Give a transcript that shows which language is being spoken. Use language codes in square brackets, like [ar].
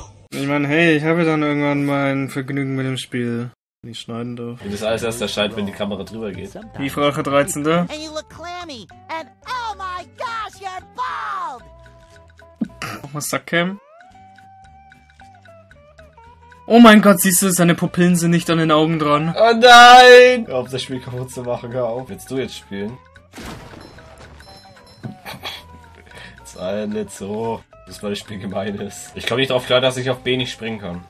[de] Ich meine, hey, ich habe dann irgendwann mein Vergnügen mit dem Spiel. Nicht schneiden darf. Wie das alles erst erscheint, wenn die Kamera drüber geht. Wie Frage 13, da? [en] And you look clammy, and oh my gosh, you're bald! [de] Nochmal Sackcam. Oh mein Gott, siehst du, seine Pupillen sind nicht an den Augen dran. Oh nein! Hör auf, das Spiel kaputt zu machen, hör auf. Willst du jetzt spielen? Sei nicht so. Das ist, weil das Spiel gemein ist. Ich komme nicht drauf klar, dass ich auf B nicht springen kann.